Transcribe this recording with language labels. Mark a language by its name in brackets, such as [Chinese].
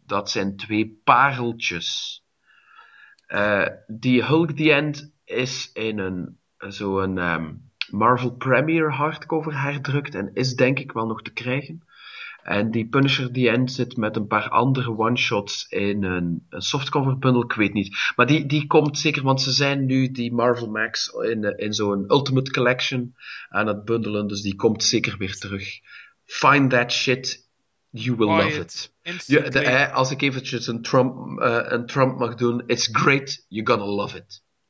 [Dutch] Dat zijn twee pareltjes. Die Hulk The End is in een Marvel Premiere hardcover herdrukt. En is denk ik wel nog te krijgen. En die Punisher The End zit met een paar andere one-shots in een softcover bundel, ik weet niet. Maar die komt zeker, want ze zijn nu die Marvel Max in zo'n Ultimate Collection aan het bundelen. Dus die komt zeker weer terug. [English] Find that shit, you will love it. [Dutch] Als ik eventjes een Trump mag doen, [English] it's great, you're gonna love it.